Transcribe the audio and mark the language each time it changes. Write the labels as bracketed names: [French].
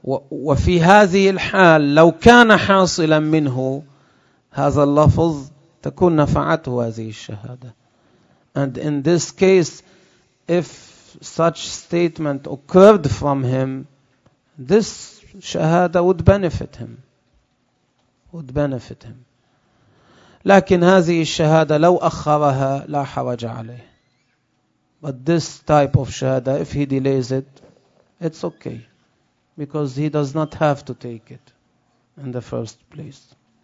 [Arabic] وفي هذه الحال لو كان حاصلا منه هذا اللفظ تكون نفعته هذه الشهادة. [English] And in this case, if such statement occurred from him, this shahada would benefit him. Would benefit him. [Arabic] لكن هذه الشهادة لو أخرها لا حرج عليه. [English] But this type of shahada, if he delays it, it's okay. Because he does not have to take it in the first place.